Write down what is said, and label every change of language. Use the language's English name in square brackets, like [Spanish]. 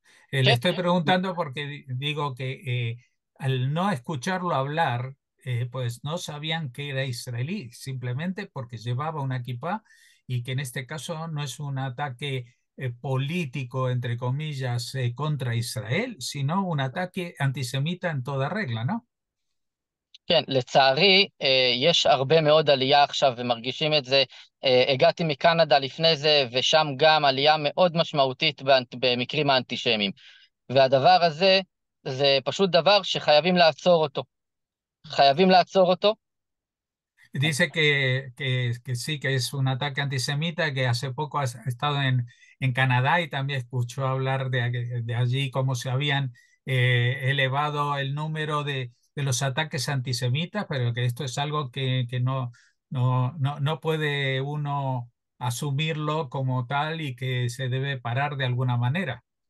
[Spanish] Le estoy preguntando porque digo que al no escucharlo hablar, pues no sabían que era israelí, simplemente porque llevaba una kipá y que en este caso no es un ataque político, entre comillas, contra Israel, sino un ataque antisemita en toda regla, ¿no? [Hebrew] כן, לצערי, יש הרבה מאוד עלייה עכשיו ומרגישים את זה. הגעתי מקנדה לפני זה, ושם גם עלייה מאוד משמעותית במקרים האנטישמיים. והדבר הזה, זה פשוט דבר שחייבים לעצור אותו. חייבים לעצור אותו. [Spanish] Dice que sí, que es un ataque antisemita, que hace poco ha estado en Canadá y también escuchó hablar de allí cómo se habían elevado el número de los ataques antisemitas, pero que esto es algo que no puede uno asumirlo como tal y que se debe parar de alguna manera.